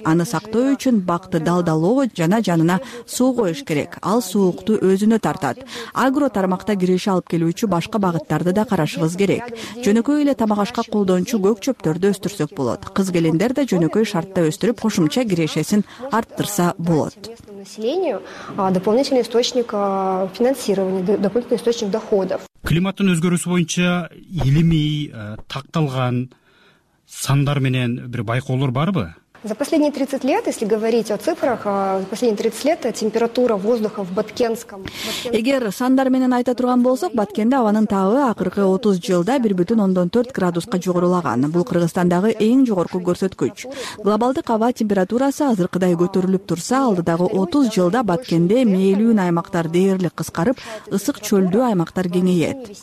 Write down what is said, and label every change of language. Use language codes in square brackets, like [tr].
[ky] Аны сактоо үчүн бакты далдалоо жана жанына суу коюш керек. Ал суукту өзүнө тартат. Агро тармакта киреше алып келүүчү башка багыттарды да карашыбыз керек. Жөнөкөй эле тамак ашка колдончу көк чөптөрдү өстүрсөк болот. Кыз келиндер да жөнөкөй шартта өстүрүп, кошумча кирешесин арттырса болот. [ru] Населению дополнительный источник финансирования, дополнительный источник доходов. [ky] Климаттын өзгөрүүсү боюнча илимий такталган сандар менен бир байкоолор барбы? [ru] За последние 30 лет, если говорить о цифрах, за последние 30 лет температура воздуха в Баткенском... [ky] Эгер сандар менен айта турган болсок, Баткенде абанын табы акыркы 30 жылда 1,4 градуска жогорулаган. Бул Кыргызстандагы эң жогорку көрсөткүч. Глобалдык аба температурасы азыркыдай көтөрүлүп турса, алдыдагы 30 жылда Баткенде мээлүүн аймактар дээрлик кыскарып, ысык чөлдүү аймактар кеңейет.